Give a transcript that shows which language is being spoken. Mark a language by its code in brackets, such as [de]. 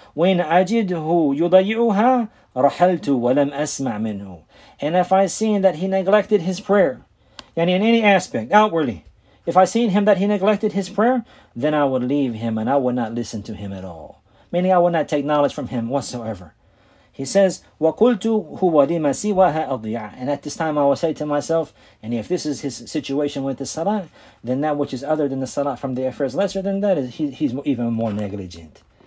[ar] وَنْ أَجِدْهُ يُضَيِّعُهَا رَحَلْتُ وَلَمْ أَسْمَعْ مِنْهُ. [en] And if I seen that he neglected his prayer, and in any aspect, outwardly, if I seen him that he neglected his prayer, then I would leave him and I would not listen to him at all. Meaning I would not take knowledge from him whatsoever. He says, [ar] وَقُلْتُ هُوَ لِمَا سِوَهَا أَضْيَعَ. [en] And at this time I would say to myself, and if this is his situation with the salah, then that which is other than the salah from the affairs lesser than that, he's even more negligent.